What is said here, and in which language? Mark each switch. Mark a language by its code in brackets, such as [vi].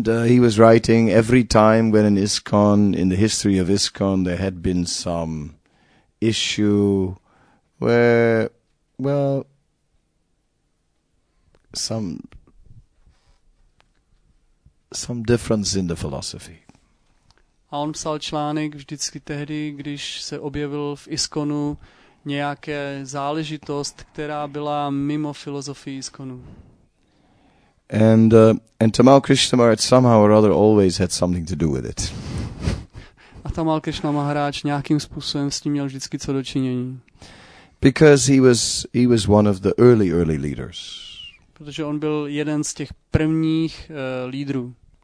[en] He was writing every time when in ISKCON, in the history of ISKCON, there had been some issue where, well, some difference in the philosophy. [cs] A on psal článek vždycky tehdy, když se objevil v ISKCONu nějaké záležitost, která byla mimo filozofii ISKCONu. [en] And Tamal Krishna Maharaj somehow or other always had something to do with it. [cs] A Tamal Krishna Maharaj nějakým způsobem s tím měl vždycky co dočinění. [en] Because he was one of the early leaders. [cs] Protože on byl jeden z těch prvních lídrů.